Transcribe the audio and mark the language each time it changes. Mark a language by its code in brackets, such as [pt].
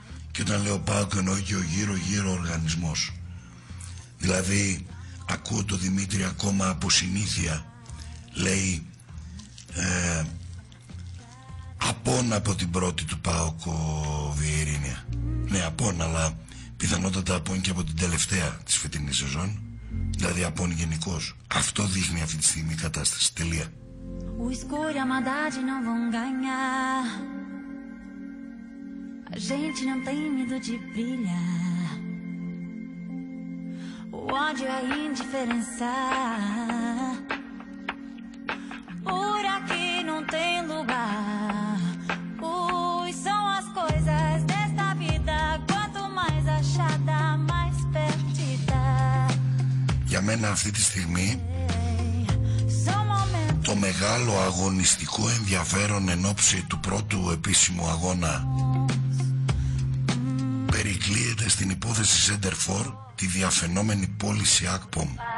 [el] Και όταν λέω ΠΑΟΚ, εννοώ και ο γύρω-γύρω οργανισμός. Δηλαδή, ακούω το Δημήτρη ακόμα από συνήθεια, λέει απόν από την πρώτη του ΠΑΟΚ ο Via Ειρήνια. Ναι, απόν, αλλά πιθανότατα απόν και από την τελευταία της φετινής σεζόν. Δηλαδή από όν γενικώς. Αυτό δείχνει αυτή τη στιγμή η κατάσταση. Τελεία. [pt] O escuro e a maldade não vão ganhar. A gente não tem medo de brilhar. O ódio é indiferença. Por aqui não tem lugar. Pois são as coisas desta vida. Quanto mais achada, mais perdida. [el] Για μένα αυτή τη στιγμή το μεγάλο αγωνιστικό ενδιαφέρον εν ώψη του πρώτου επίσημου αγώνα περικλείεται στην υπόθεση Center for τη διαφαινόμενη πώληση ΑΚΠΟΜ